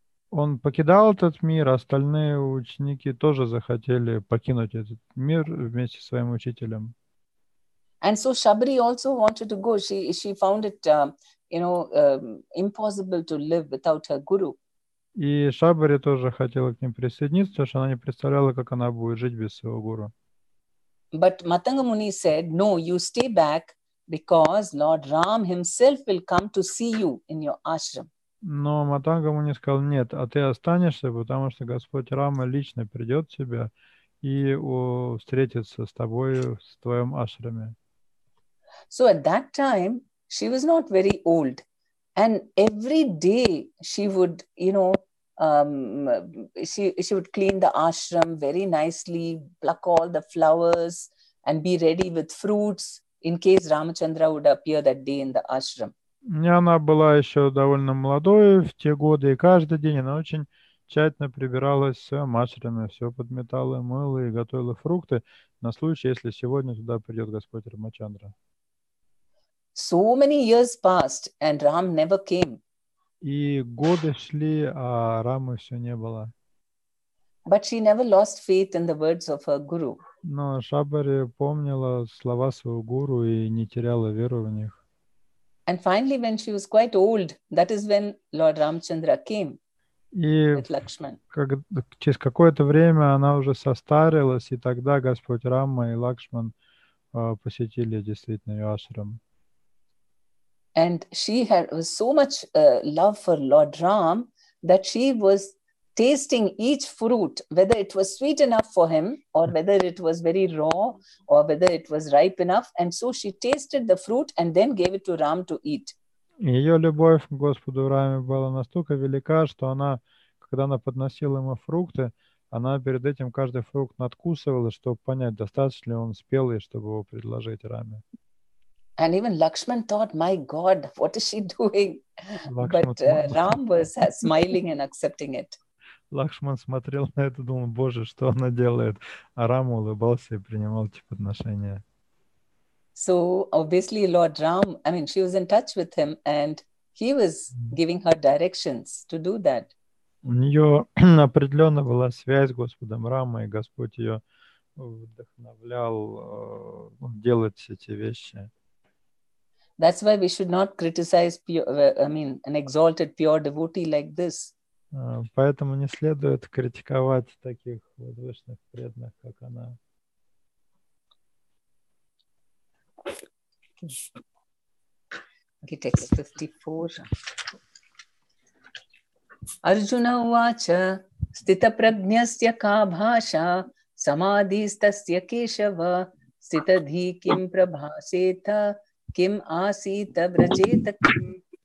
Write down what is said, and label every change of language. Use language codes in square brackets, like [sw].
[ru] Он покидал этот мир, остальные ученики тоже захотели покинуть этот мир вместе со своим учителем. [en] And so Shabari also wanted to go. She found it, impossible to live without her guru. [ru] И Шабари тоже хотела к ним присоединиться, потому что она не представляла, как она будет жить без своего гуру. [en] But Matanga Muni said, no, you stay back because Lord Ram himself will come to see you in your ashram. [ru] Но Матанга Муни сказал, нет, а ты останешься, потому что Господь Рама лично придет к тебе и встретится с тобой в твоем ашраме. [en] So at that time, she was not very old. And every day she would, she would clean the ashram very nicely, pluck all the flowers and be ready with fruits in case Ramachandra would appear that day in the ashram. [ru] И она была еще довольно молодой в те годы, и каждый день она очень тщательно прибиралась с ашрамы, все подметала, мыла и готовила фрукты на случай, если сегодня туда придет Господь Рамачандра. [en] So many years passed, and Ram never came. [ru] И годы шли, а Рамы все не было. [en] But she never lost faith in the words of her guru. [ru] Но Шабари помнила слова своего гуру и не теряла веру в них. [en] And finally, when she was quite old, that is when Lord Ramachandra came with Lakshman. [ru] Через какое-то время она уже состарилась, и тогда Господь Рама и Лакшман посетили действительно ее ашрам. [en] And she had so much love for Lord Ram that she was tasting each fruit, whether it was sweet enough for him, or whether it was very raw, or whether it was ripe enough. And so she tasted the fruit and then gave it to Ram to eat. [ru] Ее любовь к Господу Раме была настолько велика, что она, когда она подносила ему фрукты, она перед этим каждый фрукт надкусывала, чтобы понять, достаточно ли он спелый, чтобы его предложить Раме. [en] And even Lakshman thought, my God, what is she doing? But Ram was smiling and accepting it. [ru] Лакшман смотрел на это, думал, Боже, что она делает? А Рама улыбался и принимал эти подношения. [en] So, obviously, Lord Ram, I mean, she was in touch with him, and he was giving her directions to do that. [ru] У нее определенно была связь с Господом Рамой, и Господь ее вдохновлял делать все эти вещи. [en] That's why we should not criticize an exalted pure devotee like this. [ru] Поэтому не следует критиковать таких возвышенных преданных, как она. [en] Okay, text 54. [sa] Arjuna uvacha stita prajnyasya ka bhasha samadhistasya keshava stita dhi kim prabhaseta kim asita vrajeta kim.